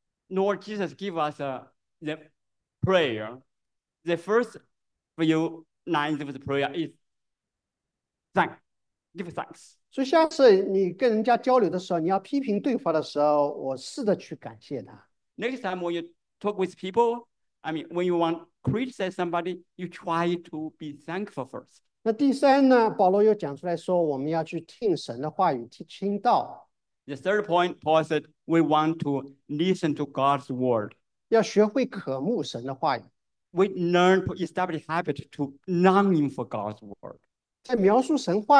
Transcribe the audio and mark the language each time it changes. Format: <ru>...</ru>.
<en>Lord Jesus gave us the prayer. The first few lines of the prayer is thank, give thanks.</en> <zh>所以下次你跟人家交流的时候，你要批评对方的时候，我试着去感谢他。</zh> <en>Next time when you talk with people, I mean, when you want to criticize somebody, you try to be thankful first.</en> <zh>那第三呢，保罗又讲出来说，我们要去听神的话语，去听道。</zh> <en>The third point, Paul said, we want to listen to God's word.</en> <zh>要学会渴慕神的话语。</zh> <en>We learn to establish habit to longing for God's word.</en>